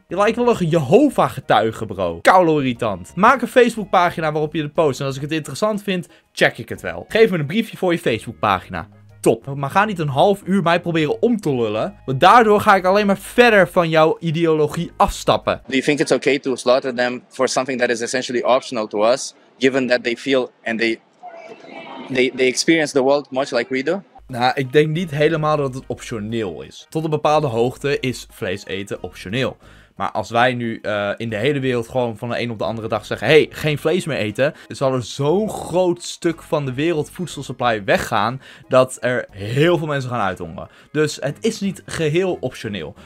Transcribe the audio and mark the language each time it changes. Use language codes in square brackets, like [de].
[nl] Je lijkt wel een Jehovah-getuige, bro. Kaulo-irritant. Maak een Facebook-pagina waarop je het post. En als ik het interessant vind, check ik het wel. Geef me een briefje voor je Facebook-pagina. Top. Maar ga niet een half uur mij proberen om te lullen. Want daardoor ga ik alleen maar verder van jouw ideologie afstappen. [en] Do you think it's okay to slaughter them for something that is essentially optional to us, given that they feel and they... They experience the world much like we do? [nl] Nou, ik denk niet helemaal dat het optioneel is. Tot een bepaalde hoogte is vlees eten optioneel. Maar als wij nu in de hele wereld gewoon van de een op de andere dag zeggen... hey, geen vlees meer eten... dan zal er zo'n groot stuk van de wereldvoedselsupply weggaan... dat er heel veel mensen gaan uithongeren. Dus het is niet geheel optioneel.